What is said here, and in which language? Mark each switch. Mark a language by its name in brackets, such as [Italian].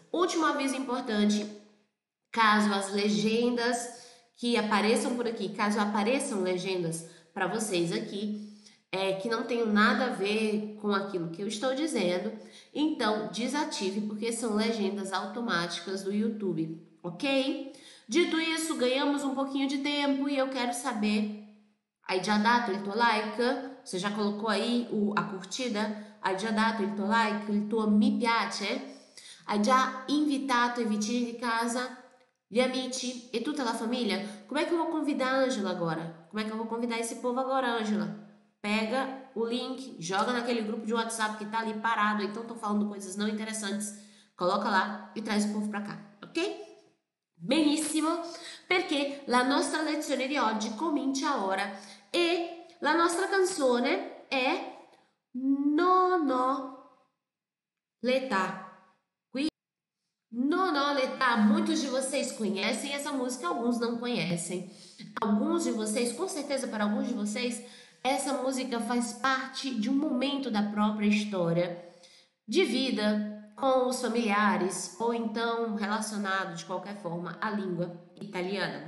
[Portuguese] Último aviso importante, caso as legendas que apareçam por aqui, caso apareçam legendas para vocês aqui, que não tenham nada a ver com aquilo que eu estou dizendo, então desative, porque são legendas automáticas do YouTube, ok? Dito isso, ganhamos um pouquinho de tempo e eu quero saber, aí já dá o teu like? Você já colocou aí a curtida? [Italian] Hai già dato il tuo like, il tuo mi piace? Hai già invitato i vicini di casa, gli amici e tutta la famiglia? Come che [Portuguese] vou convidar Angela agora? Come che vou convidar esse povo agora, Angela? Pega o link, joga naquele grupo [Italian] di [Portuguese] WhatsApp [Italian] che [Portuguese] tá ali parado, então tô falando coisas não interessantes. Coloca lá e traz o povo pra cá, ok? [Italian] Benissimo, perché la nostra lezione di oggi comincia ora e la nostra canzone è Non ho l'età. Qui Non ho l'età. [Portuguese] Muitos de vocês conhecem essa música, alguns não conhecem. Alguns de vocês, com certeza para alguns de vocês, essa música faz parte de um momento da própria história de vida com os familiares ou então relacionado de qualquer forma à língua italiana.